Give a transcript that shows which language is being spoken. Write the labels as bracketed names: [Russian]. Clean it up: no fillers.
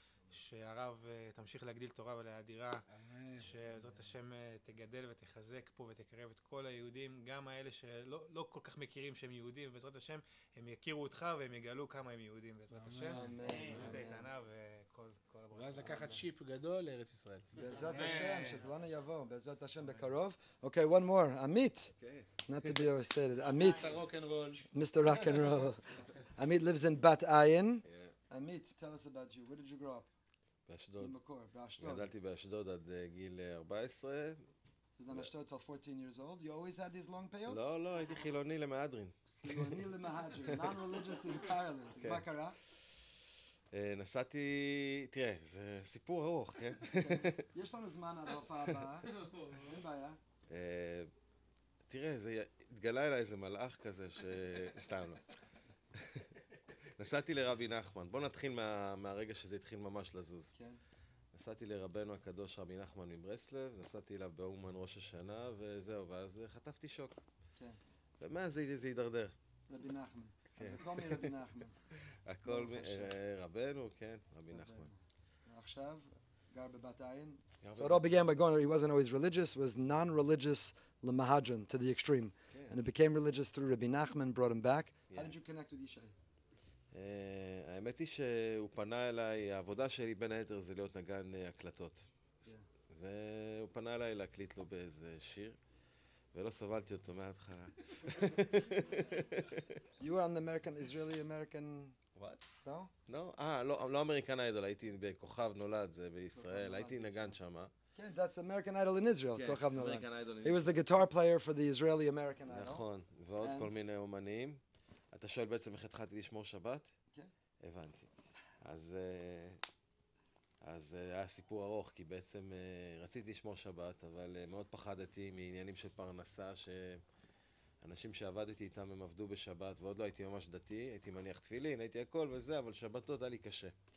[Hebrew] שהרב תמשיך להגדיל תורה ולהאדירה, שעזרת השם תגדל ותחזק פה ותקרב את כל היהודים, גם האלה שלא כל כך מכירים שהם יהודים, ובעזרת השם הם יכירו אותך והם יגלו כמה הם יהודים, בעזרת השם. אמן. זאת איתנה וכל הברכה. ואז לקחת שיפ גדול לארץ ישראל. בעזרת השם, שכולנו יבואו, בעזרת השם בקרוב. [English] אוקיי, one more, עמית. Not to be overstated, עמית. Mr. Rock and Roll. עמית lives in Bat Ayin. עמית, tell us about you, where did you grow up? [Hebrew] באשדוד. באשדוד. גדלתי באשדוד עד גיל 14. אז אתה באשדוד [English] till 14 years old? You always had these long peyot? [Hebrew] לא, לא, הייתי חילוני למהדרין. חילוני למהדרין, [English] non-religious entirely. [Hebrew] מה קרה? נסעתי, תראה, זה סיפור ארוך, כן? יש לנו זמן עד ההופעה הבאה, אין בעיה. תראה, זה התגלה אליי איזה מלאך כזה ש... סתם לא. נסעתי לרבי נחמן. בוא נתחיל מהרגע שזה התחיל ממש לזוז. נסעתי לרבנו הקדוש רבי נחמן מברסלב, נסעתי אליו באומן ראש השנה, וזהו, ואז חטפתי שוק. ומה זה ידרדר? רבי נחמן. אז הכל מרבי נחמן. הכל מרבנו, כן, רבי נחמן. ועכשיו, גר בבת עין. [English] So it all began by going that he wasn't always religious, was non-religious למהדרין, to the extreme. And it became religious through רבי נחמן, brought him back. How did you connect with Ishay? [Hebrew] האמת היא שהוא פנה אליי, העבודה שלי בין היתר זה להיות נגן הקלטות. והוא פנה אליי להקליט לו באיזה שיר, ולא סבלתי אותו מההתחלה. [English] You were on the American, Israeli-American... What? No? No? [Hebrew] לא, לא American Idol, הייתי בכוכב נולד, זה בישראל, הייתי נגן שם. [English] כן, that's American Idol in Israel, [Hebrew] כוכב נולד. [English] American Idol in Israel. He was the guitar player for the Israeli-American Idol. [Hebrew] נכון, ועוד כל מיני אומנים. אתה שואל בעצם איך התחלתי לשמור שבת? כן. הבנתי. אז היה סיפור ארוך, כי בעצם רציתי לשמור שבת, אבל מאוד פחדתי מעניינים של פרנסה, שאנשים שעבדתי איתם הם עבדו בשבת, ועוד לא הייתי ממש דתי, הייתי מניח תפילין, הייתי הכל וזה, אבל שבתות היה לי קשה.